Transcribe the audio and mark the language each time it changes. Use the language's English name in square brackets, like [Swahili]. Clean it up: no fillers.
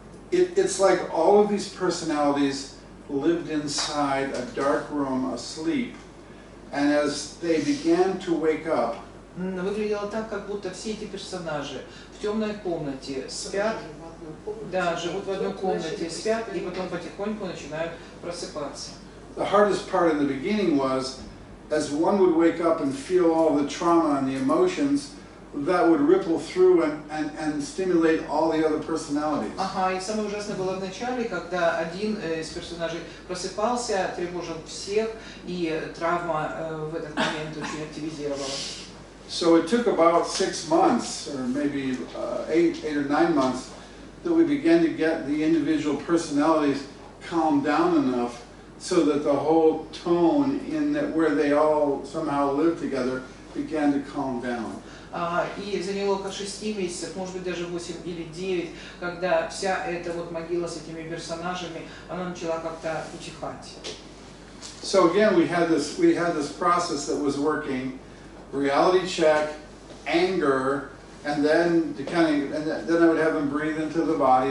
[English] It's like all of these personalities lived inside a dark room asleep, and as they began to wake up. [Russian] Выглядело так, как будто все эти персонажи в темной комнате спят. Да, живут в одной комнате, спят, и потом потихоньку начинают просыпаться. [English] The hardest part in the beginning was, as one would wake up and feel all the trauma and the emotions, that would ripple through and stimulate all the other personalities. [Russian] Ага, и самое ужасное было в начале, когда один из персонажей просыпался, тревожил всех, и травма в этот момент очень активизировалась. [English] So it took about 6 months, or maybe eight or nine months, that we began to get the individual personalities calmed down enough so that the whole tone in that where they all somehow lived together began to calm down. [Russian] И заняло около 6 месяцев, может быть даже 8 или 9, когда вся эта вот могила с этими персонажами, она начала как-то утихать. [English] So again, we had this process that was working: reality check, anger. And then to kind of, and then I would have them breathe into the body.